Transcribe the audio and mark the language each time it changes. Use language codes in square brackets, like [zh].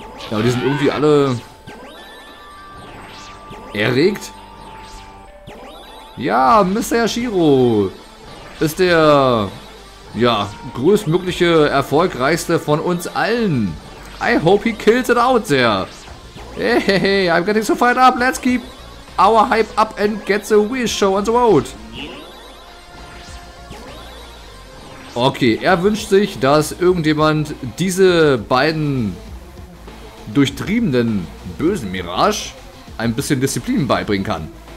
[de] Ja, aber die sind irgendwie alle erregt. Ja, Mr. Yashiro ist der, ja, größtmögliche, erfolgreichste von uns allen. [en] I hope he kills it out there. Hey, hey, hey, I'm getting so fired up. Let's keep our hype up and get the Wii Show on the road. [de] Okay, er wünscht sich, dass irgendjemand diese beiden durchtriebenen bösen Mirage ein bisschen Disziplin beibringen kann.